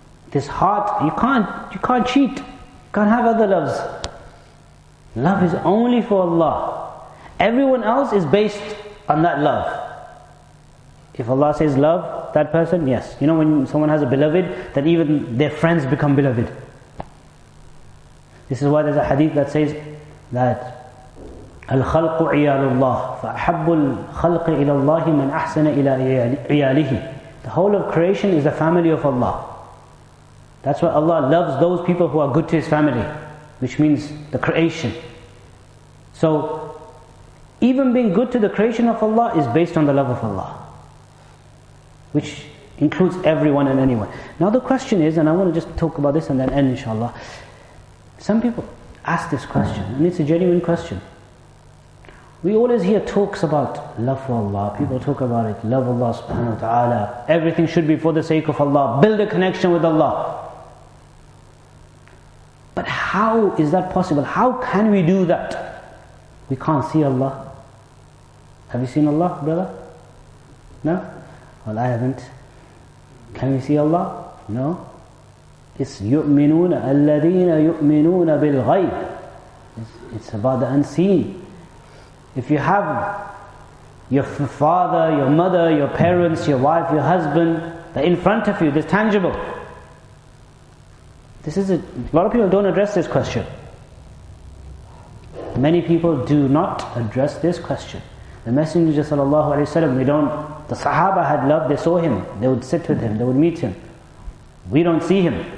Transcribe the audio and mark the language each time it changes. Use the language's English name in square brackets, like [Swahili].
[English] This heart, you can't cheat. You can't have other loves. Love is only for Allah. Everyone else is based on that love. If Allah says love that person, yes. You know, when someone has a beloved, then even their friends become beloved. This is why there's a hadith that says that [Arabic] الْخَلْقُ عِيَالُ اللَّهِ فَأَحَبُّ الْخَلْقِ إِلَى اللَّهِ مَنْ أَحْسَنَ إِلَى عِيَالِهِ. [English] The whole of creation is the family of Allah. That's why Allah loves those people who are good to His family, which means the creation. So, even being good to the creation of Allah is based on the love of Allah, which includes everyone and anyone. Now the question is, and I want to just talk about this and then end inshallah. Some people ask this question, and it's a genuine question. We always hear talks about love for Allah. People talk about it, love Allah subhanahu wa ta'ala. Everything should be for the sake of Allah. Build a connection with Allah. But how is that possible? How can we do that? We can't see Allah. Have you seen Allah, brother? No? Well, I haven't. Can we see Allah? No. [Arabic] It's يؤمنون الذين يؤمنون بالغيب. [English] It's about the unseen. If you have your father, your mother, your parents, your wife, your husband, they're in front of you, they're tangible. This is a lot of people don't address this question. Many people do not address this question. The Messenger sallallahu alaihi wasallam, the Sahaba had love, they saw him, they would sit with him, they would meet him. We don't see him.